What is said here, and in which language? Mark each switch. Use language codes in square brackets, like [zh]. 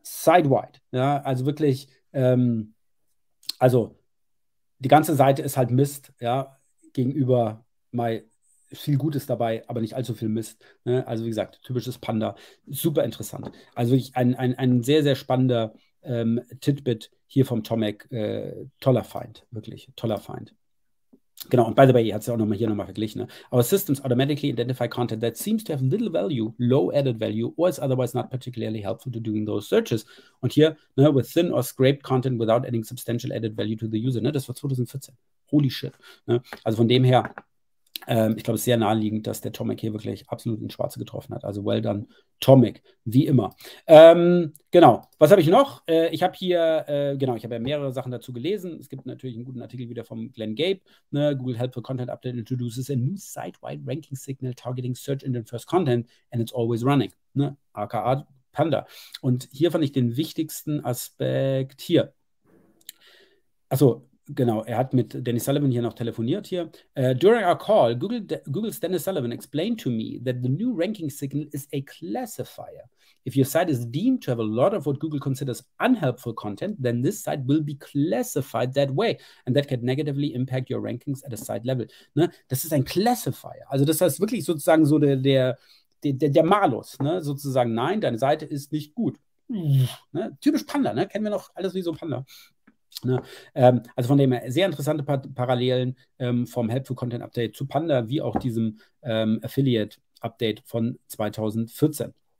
[de] Site-wide, ja? Also wirklich, also die ganze Seite ist halt Mist, ja, gegenüber mal viel Gutes dabei, aber nicht allzu viel Mist, ne? Also wie gesagt, typisches Panda, super interessant. Also wirklich ein sehr, sehr spannender Titbit hier vom Tomek, toller Find, wirklich toller Find. Genau, und [en] by the way, [de] ihr habt es ja auch nochmal hier nochmal verglichen. Ne? [en] Our systems automatically identify content that seems to have little value, low added value, or is otherwise not particularly helpful to doing those searches. [de] Und hier, ne, [en] with thin or scraped content without adding substantial added value to the user. [de] Ne? Das war 2014. [en] Holy shit. Ne? [de] Also von dem her, ich glaube, es ist sehr naheliegend, dass der Tomek hier wirklich absolut ins Schwarze getroffen hat. Also [en] well done, [de] Tomek, wie immer. Genau, was habe ich noch? Ich habe hier, genau, ich habe ja mehrere Sachen dazu gelesen. Es gibt natürlich einen guten Artikel wieder vom Glenn Gabe. Ne? [en] Google Helpful Content Update introduces a new site-wide ranking signal targeting search engine first content and it's always running. [de] Ne? AKA Panda. Und hier fand ich den wichtigsten Aspekt hier. Achso. Genau, er hat mit Dennis Sullivan hier noch telefoniert hier. [en] During our call, Google's Dennis Sullivan explained to me that the new ranking signal is a classifier. If your site is deemed to have a lot of what Google considers unhelpful content, then this site will be classified that way. And that can negatively impact your rankings at a site level. [de] Ne? Das ist ein Classifier. Also das heißt wirklich sozusagen so der Malus. Ne? Sozusagen, nein, deine Seite ist nicht gut. Ne? Typisch Panda, ne? Kennen wir noch alles wie so Panda. Ne, also von dem her, sehr interessante Parallelen vom Helpful Content Update zu Panda, wie auch diesem Affiliate Update von 2014.